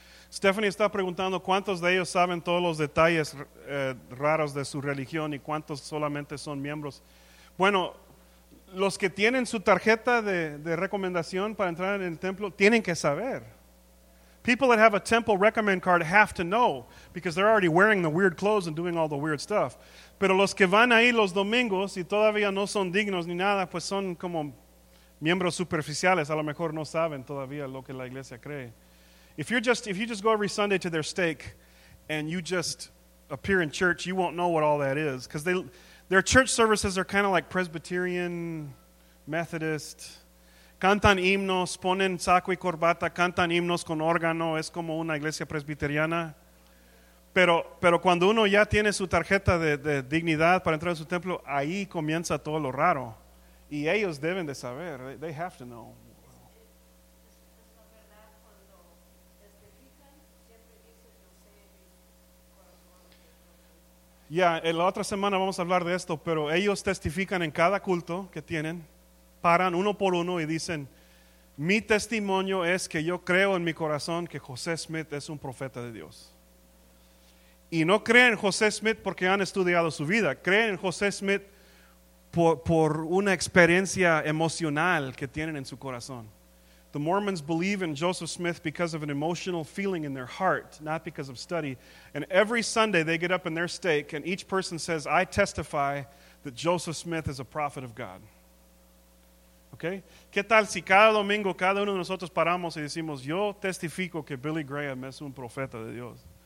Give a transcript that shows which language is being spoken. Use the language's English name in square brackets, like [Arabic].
[Spanish] Stephanie está preguntando cuántos de ellos saben todos los detalles raros de su religión y cuántos solamente son miembros. Bueno, los que tienen su tarjeta de recomendación para entrar en el templo tienen que saber. [English] People that have a temple recommend card have to know because they're already wearing the weird clothes and doing all the weird stuff. [Spanish] Pero los que van ahí los domingos y todavía no son dignos ni nada, pues son como miembros superficiales. A lo mejor no saben todavía lo que la iglesia cree. [English] If you just go every Sunday to their stake and you just appear in church, you won't know what all that is. Because their church services are kind of like Presbyterian, Methodist. [Spanish] Cantan himnos, ponen saco y corbata, cantan himnos con órgano. Es como una iglesia presbiteriana. Pero cuando uno ya tiene su tarjeta de dignidad para entrar en su templo, ahí comienza todo lo raro. Y ellos deben de saber. [English] They have to know. [Spanish] Ya, la otra semana vamos a hablar de esto, pero ellos testifican en cada culto que tienen, paran uno por uno y dicen, mi testimonio es que yo creo en mi corazón que José Smith es un profeta de Dios. Y no creen en José Smith porque han estudiado su vida, creen en José Smith por una experiencia emocional que tienen en su corazón. [English] The Mormons believe in Joseph Smith because of an emotional feeling in their heart, not because of study. And every Sunday they get up in their stake and each person says, I testify that Joseph Smith is a prophet of God. Okay? [Spanish] ¿Qué tal si cada domingo cada uno de nosotros paramos y decimos, yo testifico que Billy Graham es un profeta de Dios?